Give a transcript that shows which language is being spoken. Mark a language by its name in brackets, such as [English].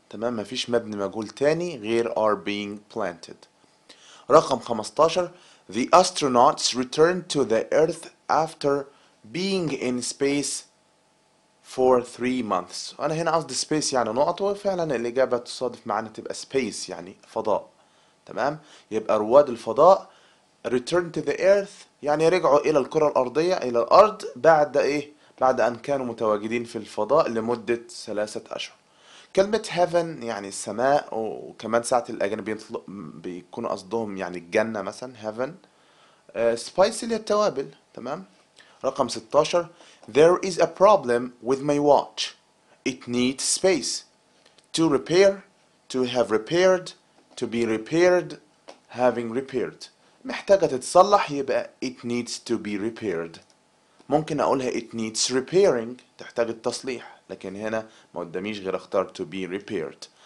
[Arabic] تمام, مفيش مبني مجهول تاني غير [English] are being planted. [Arabic] رقم 15, [English] the astronauts returned to the earth after being in space for 3 months. [Arabic] أنا هنا قصدي space يعني نقطة, وفعلا الإجابة تصادف معنا تبقى space يعني فضاء. تمام, يبقى رواد الفضاء [English] return to the earth [Arabic] يعني رجعوا إلى الكرة الأرضية, إلى الأرض بعد إيه, بعد أن كانوا متواجدين في الفضاء لمدة 3 أشهر. كلمة heaven يعني السماء, وكمان ساعة الأجانبين بيكونوا قصدهم يعني الجنة مثلا heaven. spice اللي التوابل. تمام, رقم 16, [English] there is a problem with my watch. It needs space to repair, to have repaired, to be repaired, having repaired. [Arabic] محتاجة تتصلح, يبقى [English] it needs to be repaired. [Arabic] ممكن أقولها [English] it needs repairing, [Arabic] تحتاج التصليح, لكن هنا ما قداميش غير اختار [English] to be repaired.